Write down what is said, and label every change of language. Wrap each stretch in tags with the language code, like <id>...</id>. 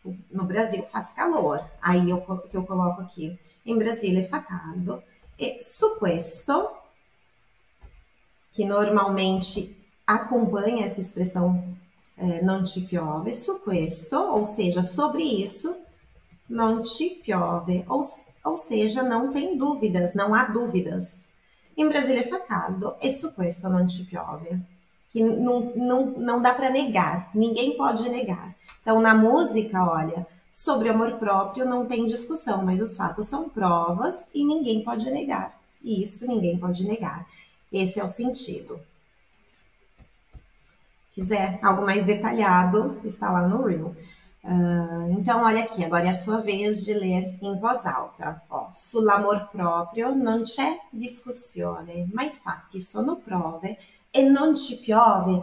<pt>no Brasil faz calor, aí que eu coloco aqui,</pt> <it>in Brasile fa caldo, e su questo,</it> <pt>que normalmente acompanha essa expressão,</pt> <it>non ci piove, su questo,</it> <pt>ou seja, sobre isso,</pt> <it>non ci piove,</it> <pt>ou seja, não tem dúvidas, não há dúvidas.</pt> <it>Em Brasília fa caldo, e su questo non ci piove.</it> <pt>Que não dá para negar, ninguém pode negar. Então, na música, olha, sobre amor próprio não tem discussão, mas os fatos são provas e ninguém pode negar. E isso ninguém pode negar. Esse é o sentido. Quiser algo mais detalhado, está lá no Reel. Então, olha aqui, agora é a sua vez de ler em voz alta.</pt> <it>Sull'amor proprio non c'è discussione, ma i fatti sono prove e non ci piove.</it>